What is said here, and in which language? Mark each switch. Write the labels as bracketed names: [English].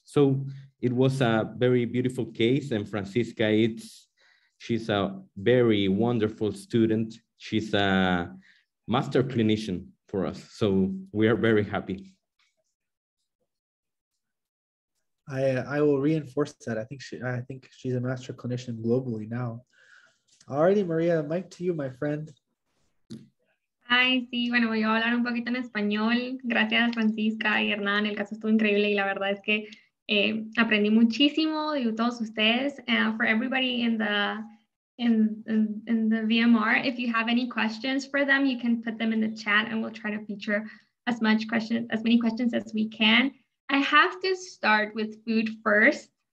[English] So it was a very beautiful case, and Francisca, she's a very wonderful student. She's a master clinician for us. So we are very happy. I will reinforce that. I think she's a master clinician globally now. Alrighty, Maria, mic to you, my friend. [Spanish] Ay, sí, bueno, voy a hablar un poquito en español. Gracias, Francisca y Hernán. El caso estuvo increíble y la verdad es que aprendí muchísimo de todos ustedes. [English] For everybody in the VMR, if you have any questions for them, you can put them in the chat and we'll try to feature as many questions as we can. I have to start with food first.